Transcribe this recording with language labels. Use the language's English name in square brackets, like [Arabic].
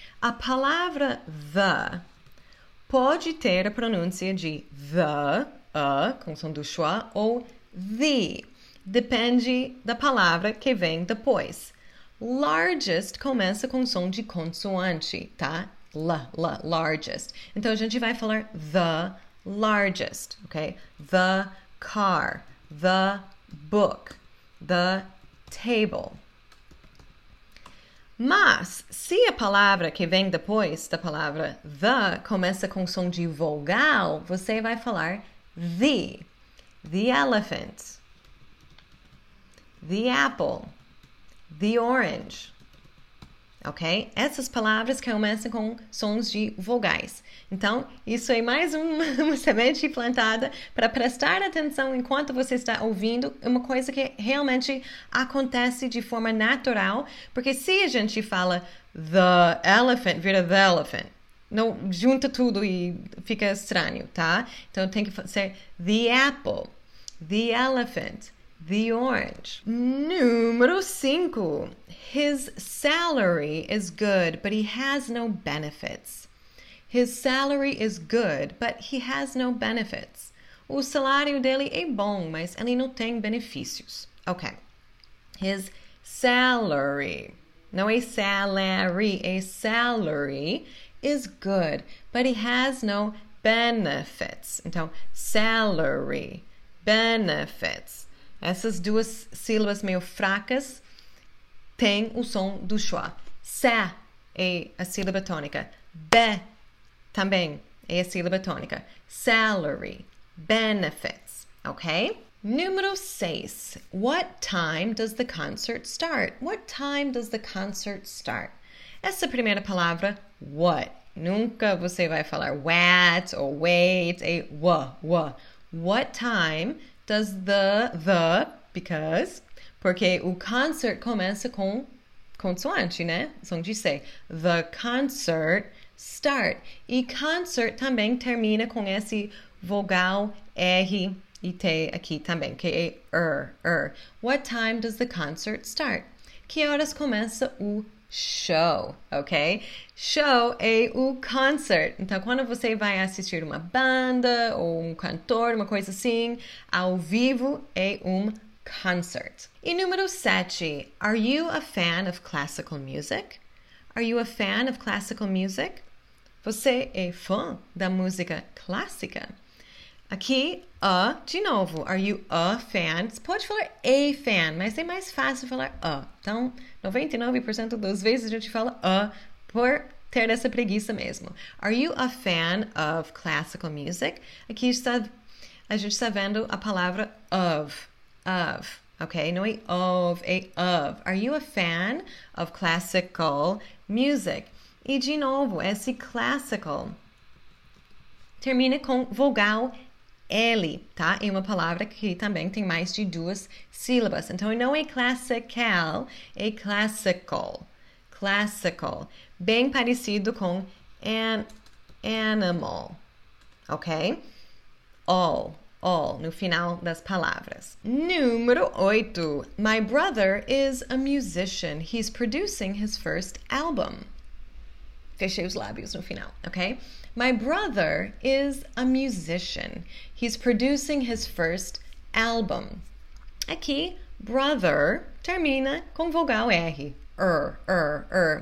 [Portuguese] A palavra the pode ter a pronúncia de the, com som do schwa, ou the. Depende da palavra que vem depois. Largest começa com som de consoante, tá? L, largest. Então a gente vai falar [English] the largest, [Portuguese] ok? [English] The car, the book, the table. [Portuguese] Mas, se a palavra que vem depois da palavra the começa com som de vogal, você vai falar [English] the elephant, the apple, the orange. [Portuguese] Ok? Essas palavras começam com sons de vogais. Então, isso é mais uma semente plantada para prestar atenção enquanto você está ouvindo uma coisa que realmente acontece de forma natural. Porque se a gente fala [English] the elephant, [Portuguese] vira the elephant. Não junta tudo e fica estranho, tá? Então, tem que ser [English] the apple, the elephant, the orange. [Portuguese] Número 5. [English] His salary is good, but he has no benefits. His salary is good, but he has no benefits. [Portuguese] O salário dele é bom, mas ele não tem benefícios. [English] Ok. His salary. [Portuguese] Não é [English] salary, é salary is good, but he has no benefits. [Portuguese] Então, salary, benefits. Essas duas sílabas meio fracas têm o som do schwa. Sa é a sílaba tônica. Be também é a sílaba tônica. Salary, benefits, ok? Número 6. [English] What time does the concert start? What time does the concert start? [Portuguese] Essa primeira palavra, what? Nunca você vai falar what ou wait, é wa. [English] What time does the [Portuguese] Because, porque o concert começa com consoante, né? Som de C. [English] The concert start. [Portuguese] E concert também termina com esse vogal R e T aqui também, que é [English] What time does the concert start? [Portuguese] Que horas começa o show, ok? Show é o concert. Então, quando você vai assistir uma banda ou um cantor, uma coisa assim, ao vivo é um concert. E número 7. [English] Are you a fan of classical music? Are you a fan of classical music? [Portuguese] Você é fã da música clássica? Aqui, de novo. [English] Are you a fan? [Portuguese] Você pode falar a fan, mas é mais fácil falar a. Então, 99% das vezes a gente fala a por ter essa preguiça mesmo. [English] Are you a fan of classical music? [Portuguese] Aqui está, a gente está vendo a palavra of. Ok? Não é of, é of. [English] Are you a fan of classical music? [Portuguese] E de novo, esse classical termina com vogal L, tá? É uma palavra que também tem mais de duas sílabas. Então, não é classical, é classical. Classical. Bem parecido com an animal. Ok? All. All, no final das palavras. Número 8. [English] My brother is a musician. He's producing his first album. [Portuguese] Fechei os lábios no final, ok? [English] My brother is a musician. He's producing his first album. [Portuguese] Aqui, brother termina com vogal R.